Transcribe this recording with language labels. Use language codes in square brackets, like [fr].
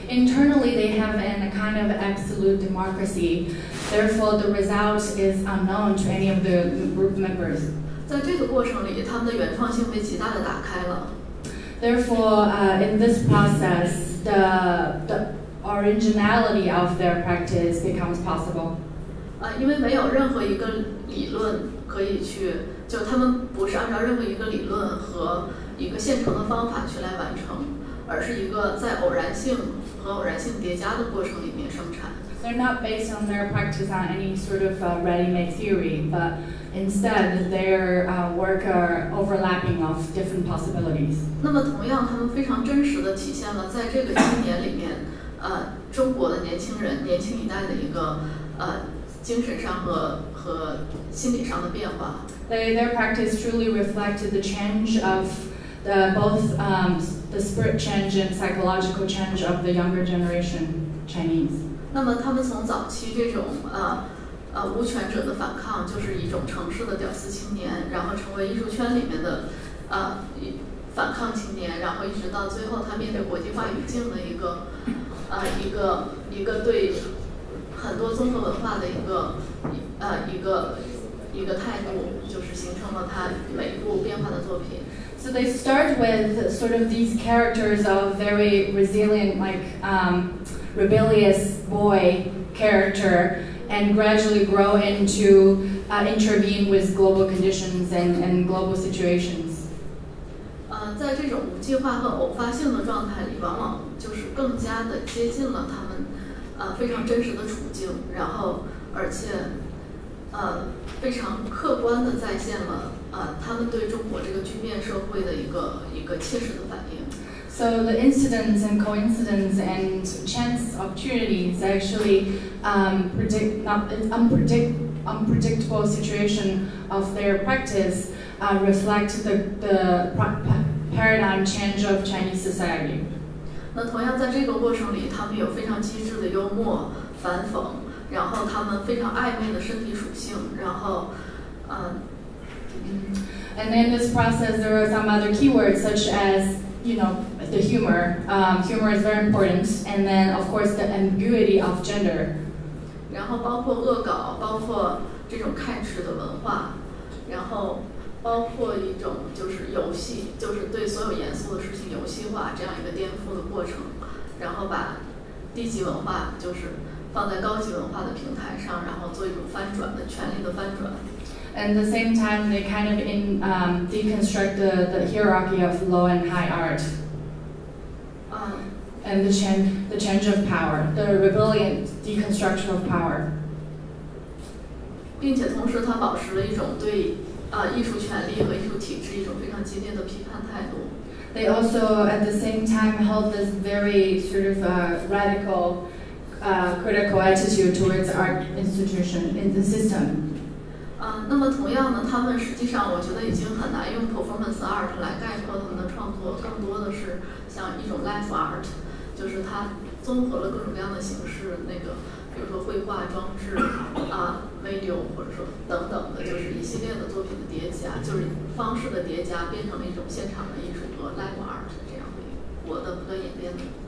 [en] Internally, they have an a kind of absolute democracy. Therefore, the result is unknown to any of the group members. [zh] 在这个过程里，他们的原创性被极大的打开了。 [en] Therefore, in this process, the originality of their practice becomes possible. [zh] 因为没有任何一个理论可以去，就他们不是按照任何一个理论和一个现成的方法去来完成，而是一个在偶然性和偶然性叠加的过程里面生产。 [en] They're not based on their practice on any sort of ready-made theory, but instead their work are overlapping of different possibilities. [zh] 那么同样，他们非常真实地体现了在这个七年里面，中国的年轻人、年轻一代的一个精神上和心理上的变化。 [en] Their practice truly reflected the change of the both the spirit change and psychological change of the younger generation Chinese. [zh] 那么他们从早期这种无权者的反抗，就是一种城市的屌丝青年，然后成为艺术圈里面的反抗青年，然后一直到最后他面对国际化语境的一个对很多综合文化的一个态度，就是形成了他每一部变化的作品。 [en] So they start with sort of these characters of very resilient, like rebellious boy character, and gradually grow into intervene with global conditions and global situations. [zh] 在这种无计划和偶发性的状态里，往往就是更加的接近了他们非常真实的处境，然后而且非常客观的再现了他们对中国这个局面社会的一个切实的反应。 [en] So the incidents and coincidence and chance opportunities actually unpredictable situation of their practice reflect the paradigm change of Chinese society. [zh] 那同样在这个过程里，他们有非常机智的幽默、反讽，然后他们非常暧昧的身体属性，然后 [en] And in this process, there are some other keywords such as, you know, the humor. Humor is very important. And then, of course, the ambiguity of gender. [zh] 然后包括恶搞，包括这种看齿的文化，然后包括一种就是游戏，就是对所有严肃的事情游戏化这样一个颠覆的过程，然后把低级文化就是放在高级文化的平台上，然后做一种翻转的权力的翻转。 [en] And at the same time, they kind of deconstruct the hierarchy of low and high art. And the change of power, the rebellion deconstruction of power. [zh] 并且同时他保持了一种对艺术权利和艺术体制一种非常激烈的批判态度。 [en] They also, at the same time, held this very sort of radical, critical attitude towards art institution in the system. [zh] 那么同样呢，他们实际上我觉得已经很难用 performance art 来概括他们的创作，更多的是像一种 life art， 就是它综合了各种各样的形式，那个比如说绘画装置video 或者说等等的，就是一系列的作品的叠加，就是方式的叠加变成了一种现场的艺术和 live art 这样的我的不断演变的。